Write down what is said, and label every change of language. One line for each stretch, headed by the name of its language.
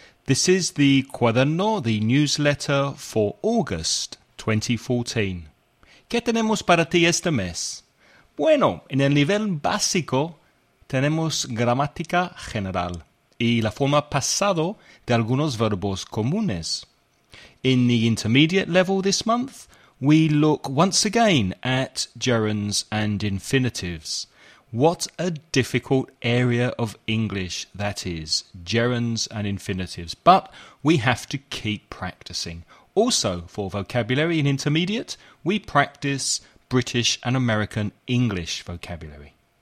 English: This is the Cuaderno, the newsletter for August 2014.
Spanish: ¿Qué tenemos para ti este mes? Bueno, en el nivel básico tenemos gramática general y la forma pasado de algunos verbos comunes.
English: In the intermediate level this month, we look once again at gerunds and infinitives. What a difficult area of English that is, gerunds and infinitives. But we have to keep practicing. Also, for vocabulary in intermediate, we practice British and American English vocabulary.